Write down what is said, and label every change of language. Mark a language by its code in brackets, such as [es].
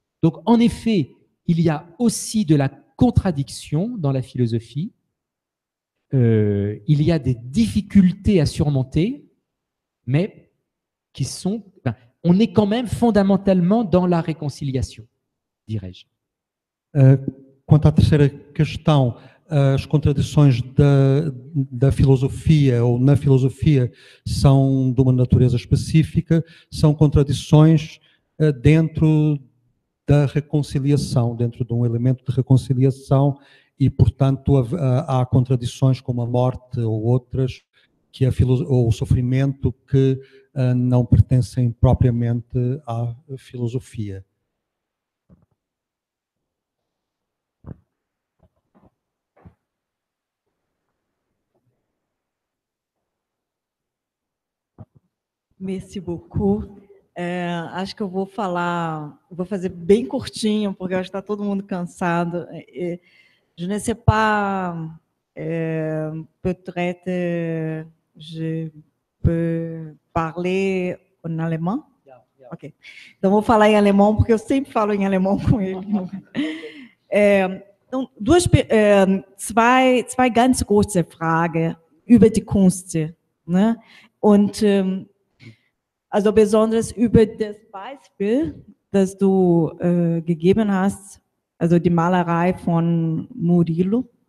[fr] Donc, en effet, il y a aussi de la contradiction dans la philosophie. Il y a des difficultés à surmonter, mais qui sont... On est quand même fondamentalement dans la réconciliation, dirais-je. [pt] Quanto à terceira questão, as contradições da filosofia ou na filosofia são de uma natureza específica, são contradições dentro da reconciliação, dentro de elemento de reconciliação e, portanto, há contradições como a morte ou outras que a filosofia, ou o sofrimento que não pertencem propriamente à filosofia. [fr] Merci beaucoup. [pt] É, acho que eu vou falar, vou fazer bem curtinho, porque acho que está todo mundo cansado. [fr] Je ne sais pas, peut-être je peux parler en allemand? Yeah. Ok. [pt] Então, vou falar em alemão, porque eu sempre falo em alemão com ele. Então, [de] zwei ganz kurze Fragen über die Kunst. [pt] Né? [de] Und. Also besonders über das Beispiel, das du gegeben hast, also die Malerei von Murillo.